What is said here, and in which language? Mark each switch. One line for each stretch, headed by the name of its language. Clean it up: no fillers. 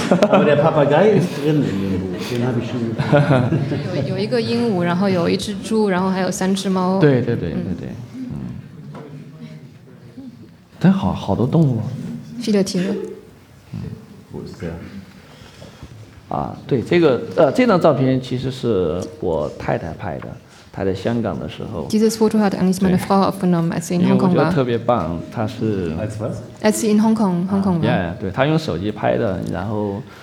German: Aber der Papagei ist drin in dem Buch, den habe ich schon gesehen.
Chinese: 有一个鹦鹉，然后有一只猪，然后还有三只猫。对对对对对。但好多动物。
German: Viele Tiere.
Chinese: 啊，对，这张照片其实是我太太拍的，她在香港的时候。
German: Dieses Foto hat eigentlich meine Frau aufgenommen, als sie in Hong Kong war.
Chinese: 因为我觉得特别棒，她是。
German: Als sie in Hong Kong war.
Chinese: Yeah, 对，她用手机拍的，然后。